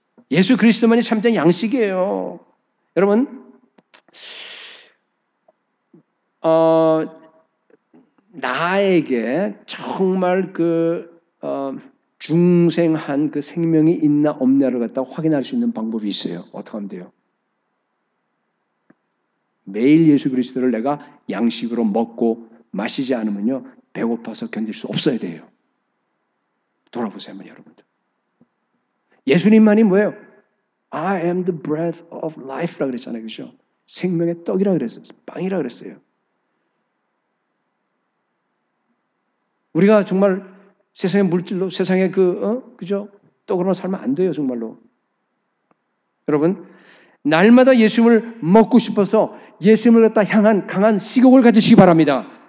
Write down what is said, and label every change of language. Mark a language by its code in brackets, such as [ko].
[ko] 예수 그리스도만이 참된 양식이에요. 여러분, 나에게 정말 그 중생한 그 생명이 있나 없냐를 갖다 확인할 수 있는 방법이 있어요. 어떻게 하면 돼요? 매일 예수 그리스도를 내가 양식으로 먹고 마시지 않으면요, 배고파서 견딜 수 없어야 돼요. 돌아보세요, 한번 여러분들. 예수님만이 뭐예요? [en] I am the bread of life [ko] 라고 그랬잖아요, 그죠? 생명의 떡이라고 그랬어요. 빵이라고 그랬어요. 우리가 정말 세상의 물질로, 세상의 그, 그죠? 떡으로만 살면 안 돼요, 정말로. 여러분, 날마다 예수님을 먹고 싶어서 예수님을 갖다 향한 강한 식욕을 가지시기 바랍니다.